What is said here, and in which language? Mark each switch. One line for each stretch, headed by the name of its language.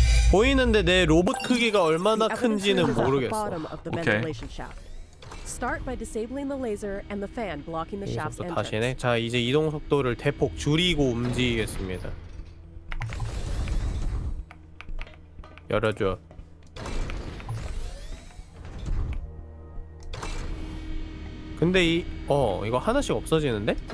Korean: 보이는데 내 로봇 크기가 얼마나 큰지는 모르겠어. 오케이.
English: Start by disabling the laser and the fan blocking the shaft entrance.
Korean: 다시네. 자, 이제 이동 속도를 대폭 줄이고 움직이겠습니다. 열어줘. 근데 이거 하나씩 없어지는데?